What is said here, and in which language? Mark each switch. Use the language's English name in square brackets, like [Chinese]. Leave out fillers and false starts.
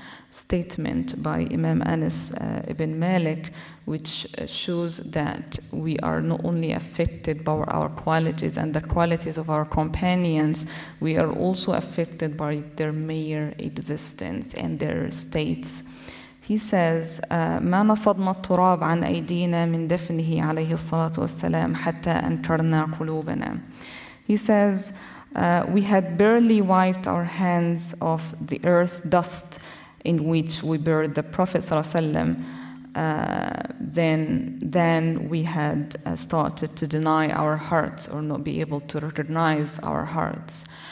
[English] statement by Imam Anas ibn Malik, which shows that we are not only affected by our qualities and the qualities of our companions, we are also affected by their mere existence and their states. He says, [Arabic] "ما نفضنا التراب عن أيدينا من دفنه عليه الصلاة والسلام حتى أنكرنا قلوبنا." [English] He says, "We had barely wiped our hands off the earth dust in which we buried the Prophet [Arabic] صلى الله عليه وسلم, [English] then we had started to deny our hearts or not be able to recognize our hearts."